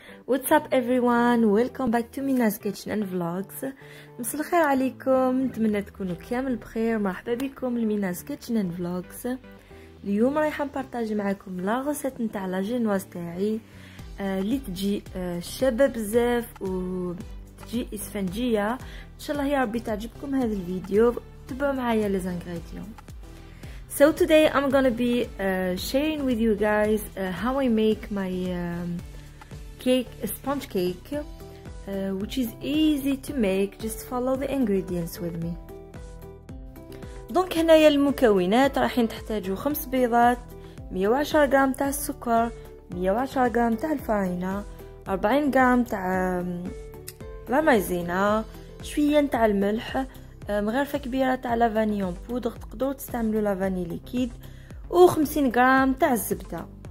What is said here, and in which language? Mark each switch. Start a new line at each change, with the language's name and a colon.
English: What's up everyone, welcome back to Mina's Kitchen and Vlogs.
Arabic: مساء الخير عليكم, نتمنى تكونوا كامل بخير. مرحبا بكم لميناز Kitchen and Vlogs. اليوم رايحة نبارطاجي معكم لا غوسيت نتاع لا جينواز تاعي اللي تجي شابة بزاف و تجي اسفنجية. ان شاء الله هي ربي تعجبكم هذا الفيديو, تبعوا معايا لزانغريديون.
English: So today I'm gonna be sharing with you guys how I make my cake, a sponge cake, which is easy to make. Just follow the ingredients with me.
Arabic: دونك هنايا المكونات, راح نحتاجو 5 بيضات, 110 غرام تاع السكر, 110 غرام تاع الفرينة, 40 غرام تاع لامايزينا, شوية تاع الملح, مغرفة كبيرة تاع لافانيون بودغ, تقدروا تستعملوا لافاني ليكيد, و 50 غرام تاع الزبدة.